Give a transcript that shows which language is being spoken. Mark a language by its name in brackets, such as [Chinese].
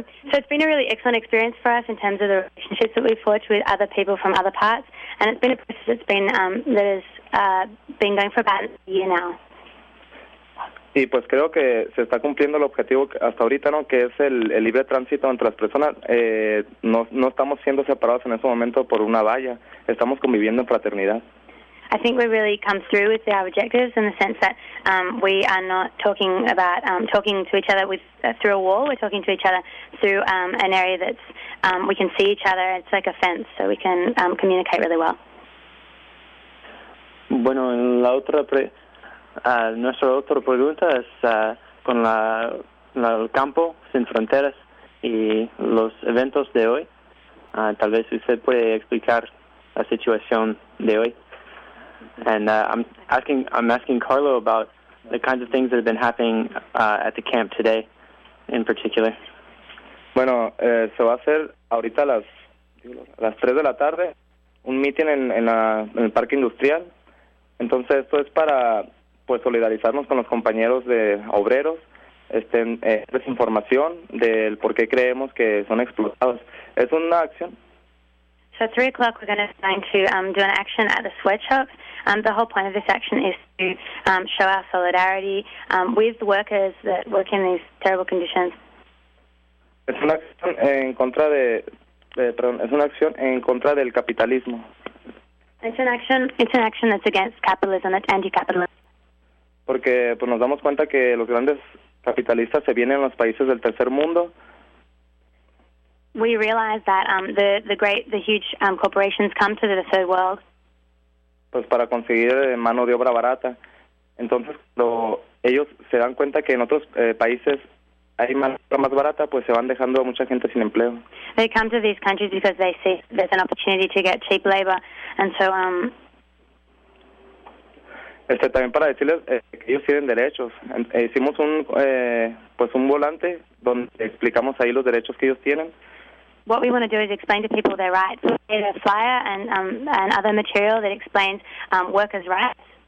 [English] So it's been a really excellent experience for us in terms of the relationships that we've forged with other people from other parts, and it's been a process that's been that has been going for about a year now. [Spanish] Y pues creo que se está cumpliendo el objetivo hasta ahorita, ¿no? Que es el libre tránsito entre las personas. No estamos siendo separados en ese momento por una valla. Estamos conviviendo en fraternidad. [English] I think we really come through with our objectives in the sense that we are not talking about talking to each other with through a wall. We're talking to each other through an area that's we can see each other. It's like a fence, so we can communicate really well. [Spanish] Bueno, la otra nuestra otra pregunta es con el campo sin fronteras y los eventos de hoy. Tal vez usted puede explicar la situación de hoy. [English] And I'm asking Carlo about the kinds of things that have been happening at the camp today, in particular. [Spanish] Bueno, se va a hacer ahorita las 3 de la tarde un meeting en el parque industrial. Entonces esto es para pues solidarizarnos con los compañeros de obreros, es información del por qué creemos que son explotados. Es una acción. [English] So at 3 o'clock, we're going to do an action at the sweatshop. The whole point of this action is to show our solidarity with the workers that work in these terrible conditions. [Spanish] Es una acción en contra es una acción en contra del capitalismo. [English] It's an action that's against capitalism, that's anti-capitalism. [Spanish] Porque pues nos damos cuenta que los grandes capitalistas se vienen a los países del tercer mundo. [English] We realize that the huge corporations come to the third world. [Spanish] Pues para conseguir mano de obra barata. Entonces, ellos se dan cuenta que en otros países hay mano de obra más barata, pues se van dejando a mucha gente sin empleo. [English] They come to these countries because they see there's an opportunity to get cheap labor, and so. [Spanish] También para decirles que ellos tienen derechos. Hicimos un volante donde explicamos ahí los derechos que ellos tienen. [English] What we want to do is explain to people their rights. We need a flyer and other material that explains workers' rights.